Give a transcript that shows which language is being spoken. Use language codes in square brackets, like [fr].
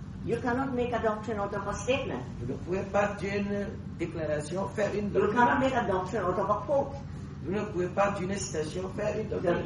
[en] You cannot make a doctrine out of a statement. [fr] Vous ne pouvez pas d'une déclaration faire une [en] doctrine. You cannot make a doctrine out of a quote. [fr] Vous ne pouvez pas d'une citation faire une doctrine.